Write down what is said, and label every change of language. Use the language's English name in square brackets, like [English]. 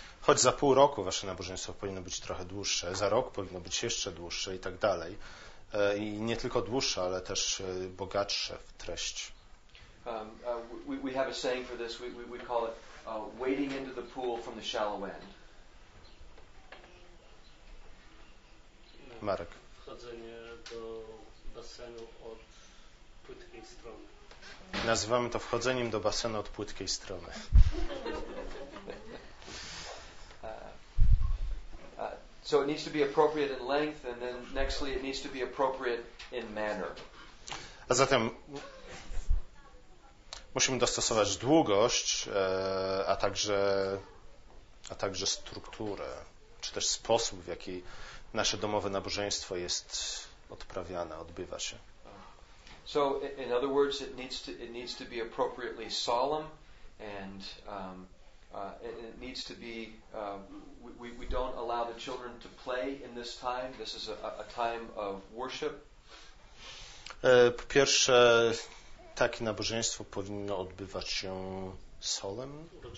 [Polish] Choć za pół roku wasze nabożeństwo powinno być trochę dłuższe, za rok powinno być jeszcze dłuższe i tak dalej. I nie tylko dłuższe, ale też bogatsze w treść. [English] We have a saying for this. We call it wading into the pool from the shallow end. [Polish] Marek. Wchodzenie do basenu od płytkiej strony. Nazywamy to wchodzeniem do basenu od płytkiej strony. [English] So it needs to be appropriate in length, and then nextly it needs to be appropriate in manner. [Polish] A zatem musimy dostosować długość, a także strukturę, czy też sposób, w jaki nasze domowe nabożeństwo jest odprawiane, odbywa się. [English] So in other words, it needs to be appropriately solemn, and it needs to be we don't allow the children to play in this time. This is a time of worship. [Polish] Po pierwsze, takie nabożeństwo powinno odbywać się solemn.